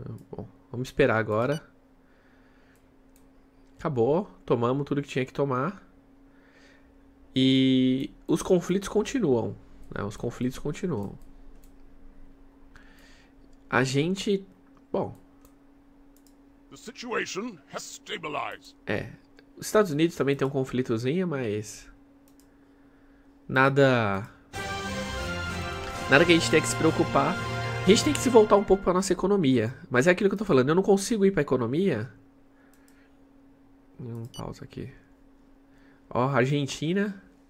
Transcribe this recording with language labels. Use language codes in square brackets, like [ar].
[pt] Bom, vamos esperar agora. Acabou. Tomamos tudo que tinha que tomar. E os conflitos continuam, né? Os conflitos continuam. A gente. Bom. [en] The situation has stabilized. [pt] É. Os Estados Unidos também tem um conflitozinho, mas. Nada. Nada que a gente tenha que se preocupar. A gente tem que se voltar um pouco para nossa economia. Mas é aquilo que eu tô falando. Eu não consigo ir para a economia. Um pausa aqui. Ó, Argentina.